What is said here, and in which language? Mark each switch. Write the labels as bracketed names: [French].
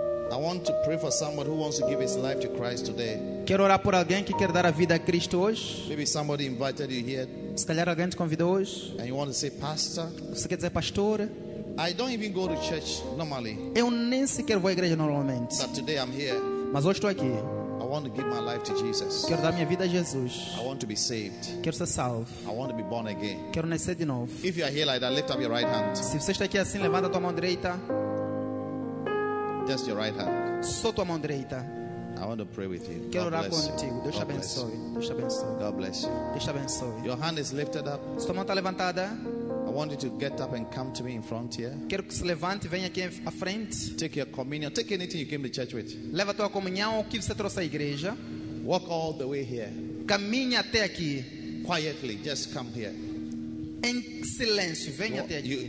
[English] I want to pray for somebody who wants to give his life to Christ today. [Portuguese] Quero orar por alguém que quer dar a vida a Cristo hoje. [English] Maybe somebody invited you here. [Portuguese] Se calhar alguém te convidou hoje. [English] And you want to say pastor. [Portuguese] Você quer dizer pastor? [English] I don't even go to church normally. [Portuguese] Eu nem sequer vou à igreja normalmente. [English] But today I'm here. [Portuguese] Mas hoje estou aqui. [English] I want to give my life to Jesus. [Portuguese] Quero dar minha vida a Jesus. [English] I want to be saved. [Portuguese] Quero ser salvo. [English] I want to be born again. [Portuguese] Quero nascer de novo. [English] If you are here like that, lift up your right hand. [Portuguese] Se você está aqui assim, levanta a tua mão direita. [English] Just your right hand. [Portuguese] Só tua mão direita. [English] I want to pray with you. [Portuguese] Quero orar contigo. Deus te abençoe. Deus te abençoe. [English] God bless you. [Portuguese] Deus te abençoe. [English] Your hand is lifted up. [Portuguese] Sua mão está levantada. [English] I want you to get up and come to me in front here. [Portuguese] Quero que se levante, venha aqui à frente. [English] Take your communion. Take anything you came to church with. [Portuguese] Leva tua comunhão ou o que você trouxe à igreja. [English] Walk all the way here. [Portuguese] Caminhe até aqui. [English] Quietly, just come here. [Portuguese] Em silêncio, venha até aqui.